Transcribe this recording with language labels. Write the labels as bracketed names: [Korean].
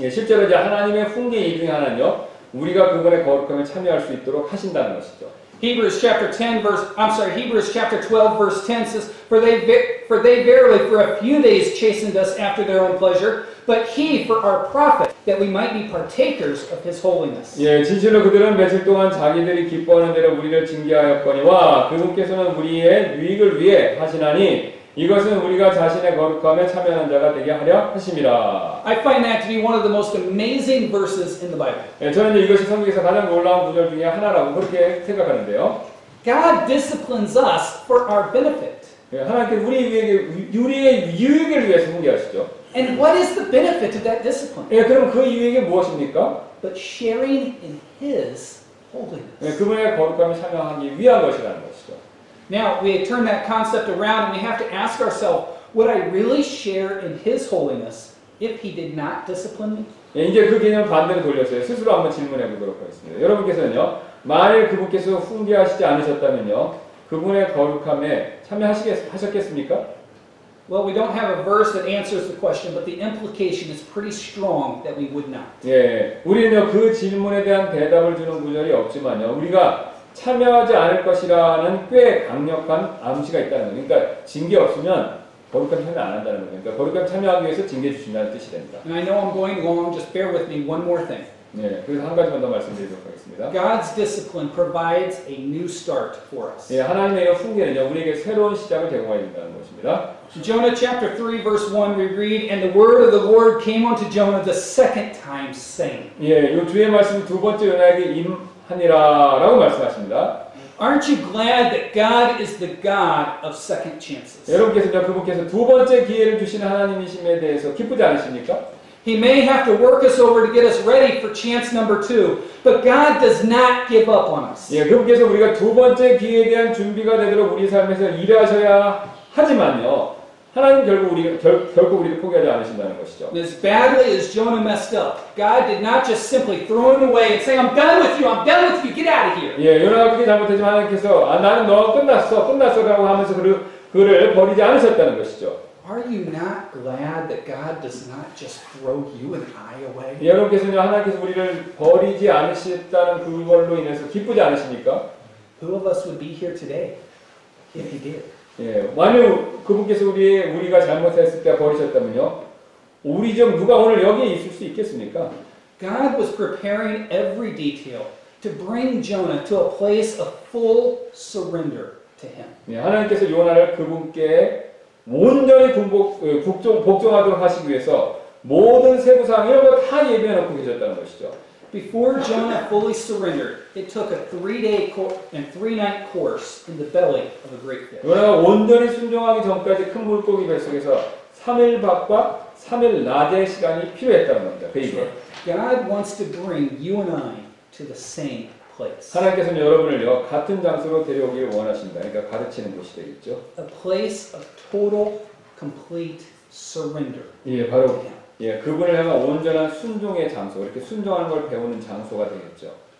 [Korean] 예, 실제로 이제 하나님의 훈계 중 하나는요. 우리가 그분의 거룩함에 참여할 수 있도록 하신다는 것이죠. [English] Hebrews chapter 12 verse 10 says, for they verily for a few days chastened us after their own pleasure, but he for our profit that we might be partakers of his holiness. [Korean] 예, 진실로 그들은 며칠 동안 자기들이 기뻐하는 대로 우리를 징계하였거니와 그분께서는 우리의 유익을 위해 하시나니 이것은 우리가 자신의 거룩함에 참여하는 자가 되게 하려 하심이라. [English] I find that to be one of the most amazing verses in the Bible. [Korean] 예, 저는 이것이 성경에서 가장 놀라운 구절 중에 하나라고 그렇게 생각하는데요. [English] God disciplines us for our benefit. [Korean] 예, 하나님께서 우리의 유익을 위해서 훈계하시죠. [English] And what is the benefit of that discipline? [Korean] 예, 그럼 그 유익이 무엇입니까? [English] But sharing in His holiness. [Korean] 예, 그분의 거룩함에 참여하기 위한 것이라는 것이죠. [English] Now we turn that concept around and we have to ask ourselves, would I really share in His holiness if He did not discipline me? [Korean] 예, 이제 그 개념 반대로 돌려서요. 스스로 한번 질문해 보도록 하겠습니다. 여러분께서는요, 만일 그분께서 훈계하시지 않으셨다면요, 그분의 거룩함에 하셨겠습니까? [English] Well, we don't have a verse that answers the question, but the implication is pretty strong that we would not. [Korean] 예, 우리는요, 그 질문에 대한 대답을 주는 구절이 없지만요, 우리가 참여하지 않을 것이라는 꽤 강력한 암시가 있다는 거예요. 그러니까 징계 없으면 거룩함 참여 안 한다는 거예요. 그러니까 거룩함 참여하기 위해서 징계 주신다는 뜻이 됩니다. [English] And I know I'm going long. Just bear with me one more thing. [Korean] 네, 그래서 한 가지만 더 말씀드리도록 하겠습니다. [English] God's discipline provides a new start for us. [Korean] 예, 하나님의 훈계는요, 우리에게 새로운 시작을 제공해 준다는 것입니다. [English] Jonah chapter 3 verse 1 we read, and the word of the Lord came unto Jonah the second time saying. [Korean] 예, 요 주의 말씀 두 번째 요나에게 하니라라고 말씀하십니다. [English] Aren't you glad that God is the God of second chances? [Korean] 여러분께서 그분께서 두 번째 기회를 주시는 하나님이심에 대해서 기쁘지 않으십니까? [English] He may have to work us over to get us ready for chance number two, but God does not give up on us. [Korean] 예, 그분께서 우리가 두 번째 기회에 대한 준비가 되도록 우리 삶에서 일하셔야 하지만요. 하나님 결국 우리를 포기하지 않으신다는 것이죠. [English] As badly as Jonah messed up, God did not just simply throw him away and say, "I'm done with you. I'm done with you. Get out of here." [Korean] 예, 요나가 그렇게 잘못했지만 하나님께서 아, 나는 너 끝났어라고 하면서 그를 버리지 않으셨다는 것이죠. [English] Are you not glad that God does not just throw you and I away? [Korean] 예, 여러분께서는 하나님께서 우리를 버리지 않으셨다는 그걸로 인해서 기쁘지 않으십니까? [English] Who of us would be here today if He did? [Korean] 예, 만약 그분께서 우리가 잘못했을 때 버리셨다면요, 우리 중 누가 오늘 여기에 있을 수 있겠습니까? [English] God was preparing every detail to bring Jonah to a place of full surrender to Him. [Korean] 예, 하나님께서 요나를 그분께 온전히 복종하도록 하시기 위해서 모든 세부사항 이런 걸 다 예비해 놓고 계셨다는 것이죠. [English] Before Jonah fully surrendered, it took a three-day and three-night course in the belly of a great fish. [Korean] 요나가 온전히 순종하기 전까지 큰 물고기 뱃속에서 3일 밤과 3일 낮의 시간이 필요했다는 겁니다. [English] 베이비. God wants to bring you and I to the same place. [Korean] 하나님께서는 여러분을요 같은 장소로 데려오기를 원하신다. 그러니까 가르치는 곳이 되겠죠. [English] A place of total, complete surrender. [Korean] 예, 바로. 예, 그분을 향한 온전한 순종의 장소, 이렇게 순종하는 걸 배우는 장소가 되겠죠.